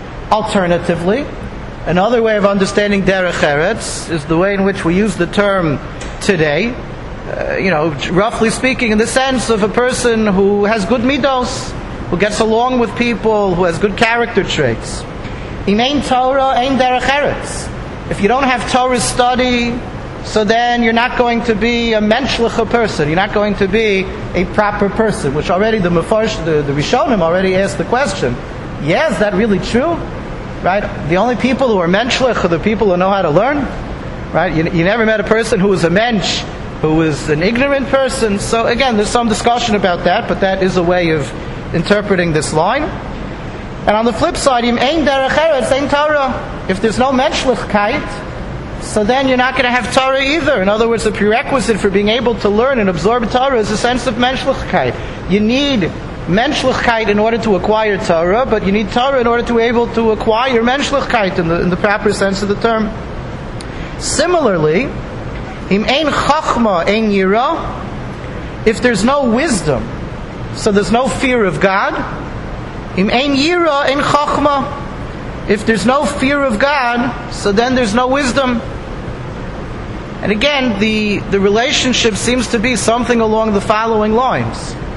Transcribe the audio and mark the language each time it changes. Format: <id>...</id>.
<en>Alternatively, another way of understanding derech eretz is the way in which we use the term today. You know, roughly speaking, in the sense of a person who has good midos, who gets along with people, who has good character traits.</en> <he>Im ein Torah, ein derech eretz.</he> <en>If you don't have Torah study, so then you're not going to be a menschliche person. You're not going to be a proper person. Which already the Rishonim already asked the question. Yeah, is that really true? Right? The only people who are menschlich are the people who know how to learn. Right? You never met a person who was a mensch, who was an ignorant person. So again, there's some discussion about that, but that is a way of interpreting this line. And on the flip side,</en> <he>im ein derech eretz, ein Torah.</he> <en>If there's no menschlichkeit, so then you're not going to have Torah either. In other words, the prerequisite for being able to learn and absorb Torah is a sense of menschlichkeit. You need menschlichkeit in order to acquire Torah, but you need Torah in order to be able to acquire menschlichkeit in the proper sense of the term. Similarly,</en> <he>im ein chachma, ein yira.</he> <en>If there's no wisdom, so there's no fear of God.</en> <he>Im ein yira, ein chachma.</he> <en>If there's no fear of God, so then there's no wisdom. And again, the relationship seems to be something along the following lines.</en>